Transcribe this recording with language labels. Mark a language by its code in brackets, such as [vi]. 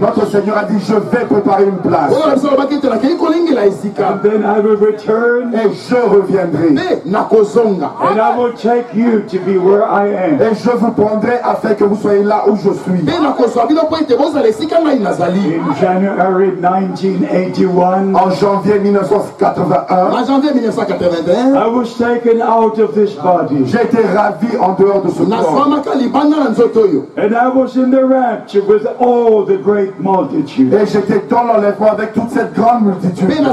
[fr] Notre Seigneur a dit, je vais préparer une place. [en] And then I will return. [fr] Et je reviendrai. [en] And I will take you to be where I am. [fr] Et je vous prendrai afin que vous soyez là où je suis. [en] In January 1981. [fr] En janvier 1981. [en] I was taken out of this body. [fr] J'ai été ravi en dehors de ce corps. [en] And I was in the rapture with all the great multitude. [fr] Et j'étais dans l'enlèvement avec toute cette grande multitude.